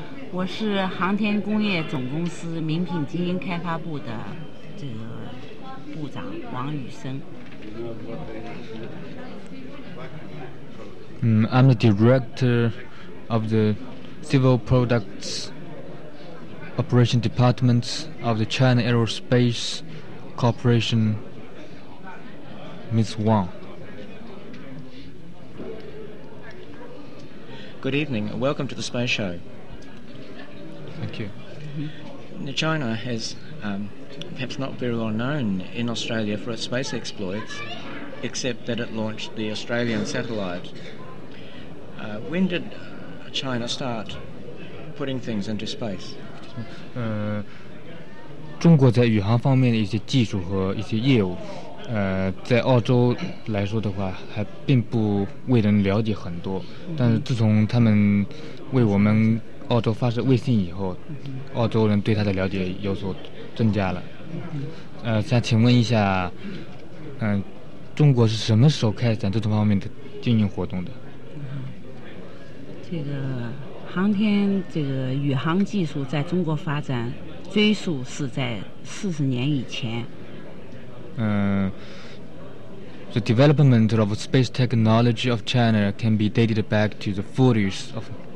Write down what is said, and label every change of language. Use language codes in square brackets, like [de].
[zh] 我是航天工业总公司名品经营开发部的这个部长王宇生。 [en] I'm the director of the civil products operation department of the China Aerospace Corporation, Ms. Wang. Good evening. Welcome to the space show. Thank you. China has perhaps not very well known in Australia for its space exploits, except that it launched the Australian satellite. When did China start putting things into space? [zh] 中国在宇航方面的一些技术和一些业务，在澳洲来说的话，还并不为人了解很多。但是自从他们为我们澳洲发射卫星以后，澳洲人对它的了解有所增加了。想请问一下，中国是什么时候开展这种方面的经营活动的？这个航天这个宇航技术在中国发展，追溯是在40年以前。 [en] The development of space technology of China can be dated back to the 40s of